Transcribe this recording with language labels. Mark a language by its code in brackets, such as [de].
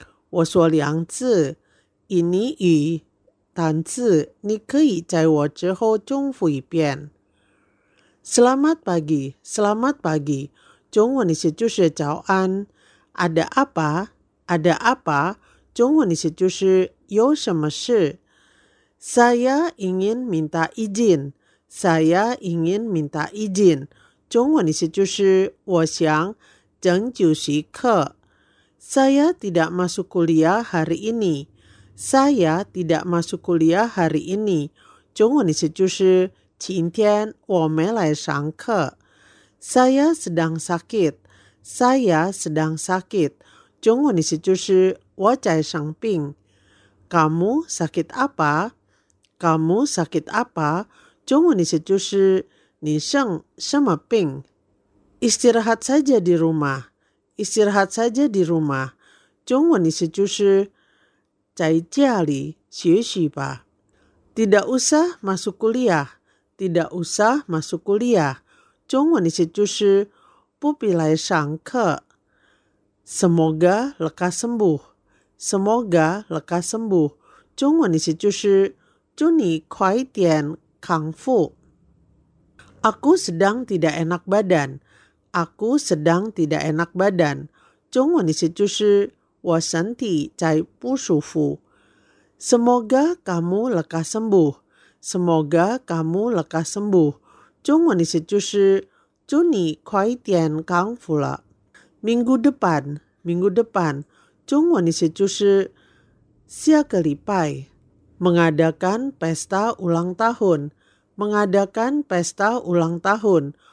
[zh] 我说两字印尼语单字，你可以在我之后重复一遍。 [id] Selamat pagi, selamat pagi [zh] 中文意思就是早安。 [id] Ada apa, ada apa [zh] 中文意思就是有什么事。 [id] Saya ingin minta izin, saya ingin minta izin [zh] 中文意思就是我想拯救时刻。 [id] Saya tidak masuk kuliah hari ini. Saya tidak masuk kuliah hari ini. [zh] 中文意思就是今天我没来上课。 [id] Saya sedang sakit. Saya sedang sakit. [zh] 中文意思就是我在生病。 [id] Kamu sakit apa? Kamu sakit apa? [zh] 中文意思就是你生什么病？ [id] Istirahat saja di rumah. Istirahat saja di rumah. [zh] 中文意思就是在家里学习吧。 [id] Tidak usah masuk kuliah. Tidak usah masuk kuliah. [zh] 中文意思就是不必来上课。 [id] Semoga lekas sembuh. Semoga lekas sembuh. [zh] 中文意思就是祝你快点康复。 [id] Aku sedang tidak enak badan. Aku sedang tidak enak badan. [zh] 中文意思就是我身体在不舒服。 [id] Semoga kamu lekas sembuh. Semoga kamu lekas sembuh. [zh] 中文意思就是祝你快点康复了。 [id] Minggu depan, minggu depan. [zh] 中文意思就是下个礼拜。 [id] Mengadakan pesta ulang tahun. Mengadakan pesta ulang tahun.